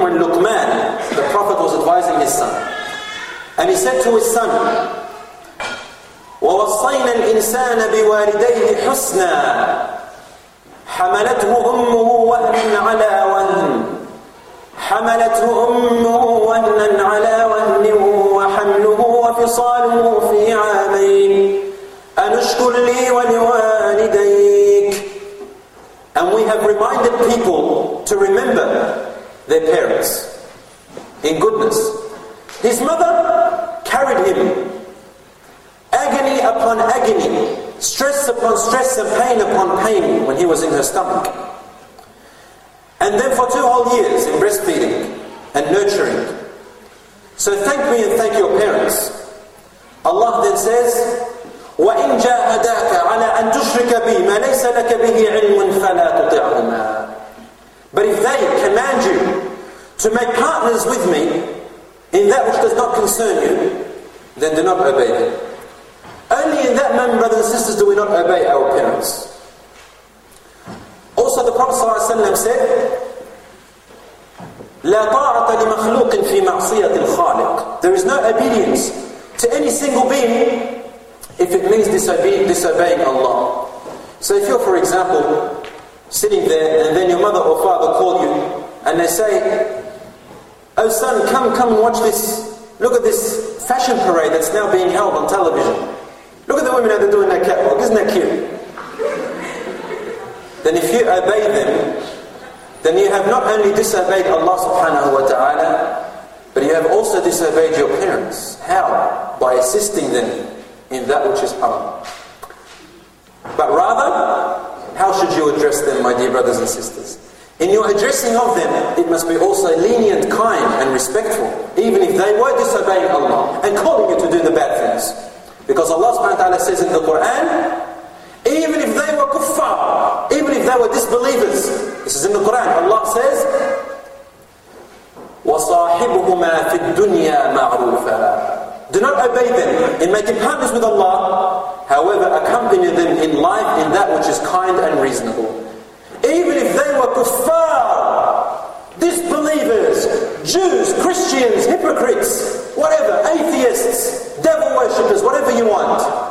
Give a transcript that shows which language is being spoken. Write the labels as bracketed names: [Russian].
[English] When Luqman, the Prophet, was advising his son, [Arabic] and he said to his son, وَوَصَّيْنَا الْإِنسَانَ بِوَالِدَيْهِ حُسْنًا حَمَلَتْهُ أُمُّهُ وَهْنًا عَلَى وَهْنٍ حَمَلَتْهُ أُمُّهُ وَهْنًا عَلَى وَهْنٍ وَحَمْلُهُ وَفِصَالُهُ فِي عَامَيْنِ أَنُشْكُرْ لِي وَلِوَالِدَيْكَ. [English] And we have reminded people to remember their parents in goodness. His mother carried him, agony upon agony, stress upon stress and pain upon pain when he was in her stomach. And then for 2 whole years in breastfeeding and nurturing. So thank me and thank your parents. Allah then says, [Arabic] وَإِن جَاهَدَاكَ عَلَىٰ أَن تُشْرِكَ بِي مَا لَيْسَ لَكَ بِهِ عِلْمٌ فَلَا تُطِعْهُمَا. [English] But if they command you to make partners with me in that which does not concern you, then do not obey them. Only in that manner, brothers and sisters, do we not obey our parents. Also, the Prophet ﷺ said, [Arabic] لَا طَاعَةَ لِمَخْلُوقٍ فِي مَعْصِيَةِ الْخَالِقِ. [English] There is no obedience to any single being if it means disobeying Allah. So if you're, for example, sitting there, and then your mother or father call you, and they say, oh son, come watch this, look at this fashion parade that's now being held on television. Look at the women how they're doing their catwalk. Isn't that cute? Then if you obey them, then you have not only disobeyed Allah subhanahu wa ta'ala, but you have also disobeyed your parents. How? By assisting them in that which is haram. But rather, how should you address them, my dear brothers and sisters? In your addressing of them, it must be also lenient, kind and respectful, even if they were disobeying Allah and calling you to do the bad things. Because Allah subhanahu wa ta'ala says in the Quran, even if they were kuffar, even if they they were disbelievers. This is in the Quran. Allah says, [Arabic] وَصَاحِبُهُمَا فِي الدُّنْيَا مَعْرُوفًا. [English] Do not obey them in making partners with Allah. However, accompany them in life in that which is kind and reasonable. Even if they were kuffar, disbelievers, Jews, Christians, hypocrites, whatever, atheists, devil worshippers, whatever you want.